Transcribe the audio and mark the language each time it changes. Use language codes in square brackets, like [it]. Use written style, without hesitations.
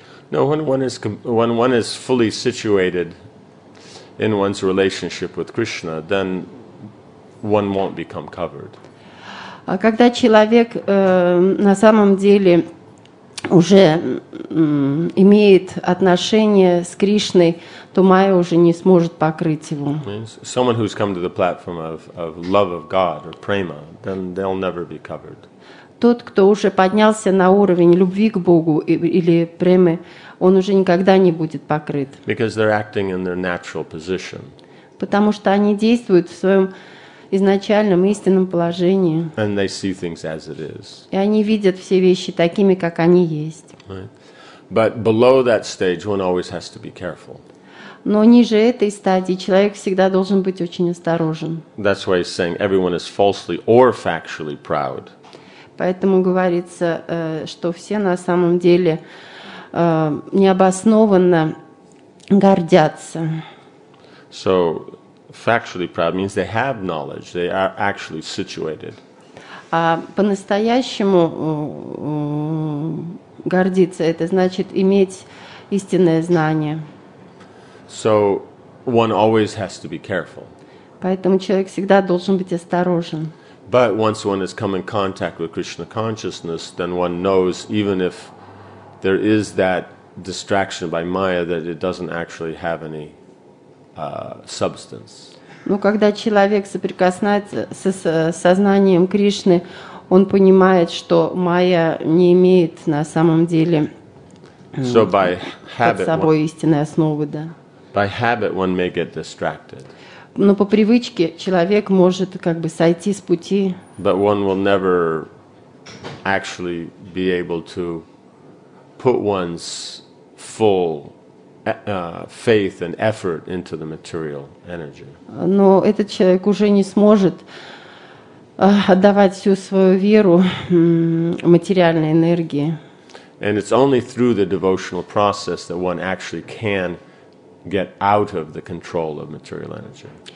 [en] No, when one is fully situated in one's relationship with Krishna, then one won't become covered. [ru] Когда человек на самом деле уже имеет отношение с Кришной, то майя уже не сможет покрыть его. [en] Someone who's come to the platform of love of God or prema, then they'll never be covered. [ru] Тот, кто уже поднялся на уровень любви к Богу или премы, он уже никогда не будет покрыт. [en] Because they're acting in their natural position. [ru] Потому что они действуют в своем изначальном истинном положении. [en] And they see things as it is. [ru] И они видят все вещи такими, как они есть. [en] Right. But below that stage, one always has to be careful. [ru] Но ниже этой стадии человек всегда должен быть очень осторожен. [en] That's why he's saying everyone is falsely or factually proud. [ru] Поэтому говорится, что все на самом деле необоснованно гордятся. [en] So, factually proud means they have knowledge, they are actually situated. [ru] А по-настоящему гордиться – это значит иметь истинное знание. [en] So, one always has to be careful. [ru] Поэтому человек всегда должен быть осторожен. [en] But once one has come in contact with Krishna consciousness, then one knows, even if there is that distraction by Maya, that it doesn't actually have any substance. [ru] Но когда человек соприкоснется с сознанием Кришны, он понимает, что майя не имеет на самом деле под собой истинной основы, да. [en] By habit one may get distracted. [ru] Но по привычке человек может как бы сойти с пути. [en] But one will never actually be able to put one's full faith and effort into the material energy. [ru] Но этот человек уже не сможет отдавать всю свою веру материальной энергии. [en] And it's only through the devotional process that one actually can get out of the control of material energy.